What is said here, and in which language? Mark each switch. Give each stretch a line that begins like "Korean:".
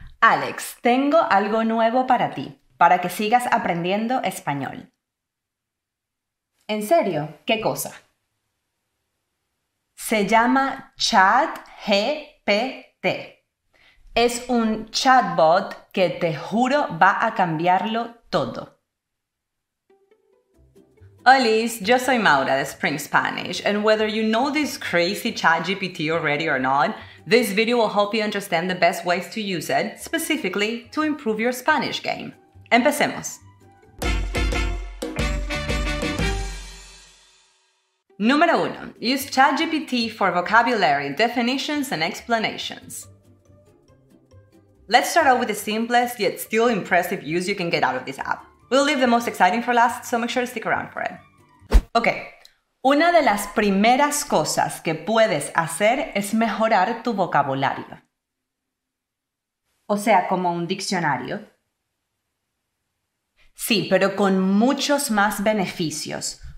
Spanish: Alex, tengo algo nuevo para ti, para que sigas aprendiendo español. ¿En serio? ¿Qué cosa? Se llama Chat GPT. Es un chatbot que te juro va a cambiarlo todo. Olis, yo soy Maura de Spring Spanish,
English: and whether you know this crazy Chat GPT already or not, this video will help you understand the best ways to use it, specifically to improve your Spanish game.
Spanish: Empecemos. Número 1.
English: Use ChatGPT for vocabulary, definitions, and explanations. Let's start out with the simplest yet still impressive use you can get out of this app. We'll leave the most exciting for last, so make sure to stick around for it.
Spanish: Ok, una de las primeras cosas que puedes hacer es mejorar tu vocabulario. O sea, como un diccionario. Sí, pero con muchos más beneficios.